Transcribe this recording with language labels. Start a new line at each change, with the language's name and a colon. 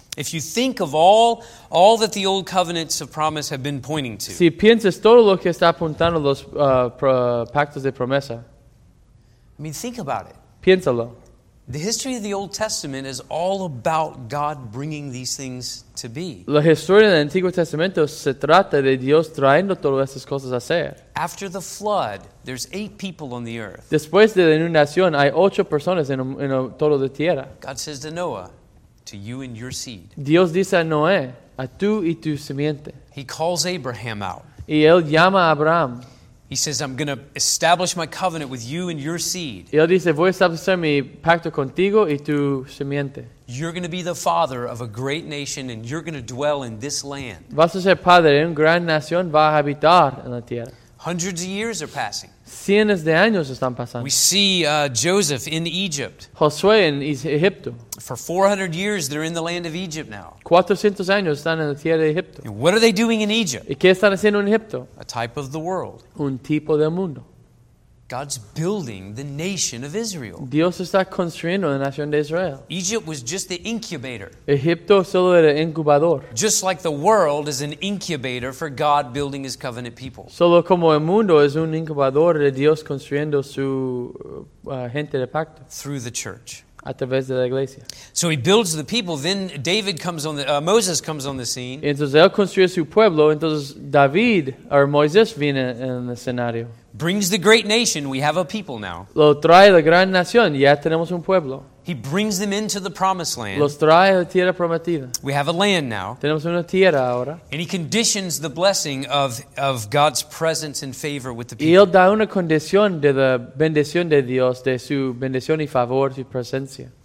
English: If you think of all that the old covenants of promise have been pointing to.
Spanish: Si piensas todo lo que está apuntando los pactos de promesa.
English: I mean, think about it.
Spanish: Piénsalo.
English: The history of the Old Testament is all about God bringing these things to be.
Spanish: La historia del Antiguo Testamento se trata de Dios trayendo todas estas cosas a ser.
English: After the flood, there's 8 people on the earth.
Spanish: Después de la inundación, hay 8 personas en todo la tierra.
English: God says to Noah, to you and your seed.
Spanish: Dios dice a Noé, a tú y tu simiente.
English: He calls Abraham out.
Spanish: Y él llama a Abraham.
English: He says, I'm going to establish my covenant with you and your seed.
Spanish: Y él dice, voy a establecer mi pacto contigo y tu simiente.
English: You're going to be the father of a great nation and you're going to dwell in this land.
Spanish: Vas a ser padre de una gran nación, vas a habitar en la tierra.
English: Hundreds of years are passing.
Spanish: Cientos de años están pasando.
English: We see Joseph in Egypt.
Spanish: Josué en Egipto.
English: For 400 years they're in the land of Egypt now.
Spanish: 400 años están en la tierra de Egipto.
English: And what are they doing in Egypt?
Spanish: ¿Y qué están haciendo en Egipto?
English: A type of the world.
Spanish: Un tipo del mundo.
English: God's building the nation of Israel.
Spanish: Dios está construyendo la nación de Israel.
English: Egypt was just the incubator.
Spanish: Egipto solo era incubador.
English: Just like the world is an incubator for God building His covenant people.
Spanish: Solo como el mundo es un incubador de Dios construyendo su gente de pacto.
English: Through the church.
Spanish: A través de la iglesia.
English: So he builds the people. Then David comes on the Moses comes on the scene.
Spanish: Entonces él construye su pueblo. Entonces David or Moisés viene en el escenario.
English: Brings the great nation. We have a people now.
Spanish: Lo trae la gran nación. Ya tenemos un pueblo.
English: He brings them into the promised land.
Spanish: Los trae a la tierra prometida.
English: We have a land now.
Spanish: Tenemos una tierra ahora.
English: And he conditions the blessing of God's presence and favor with the people.
Spanish: Y él da una condición de la bendición de Dios, de su bendición y favor, su presencia.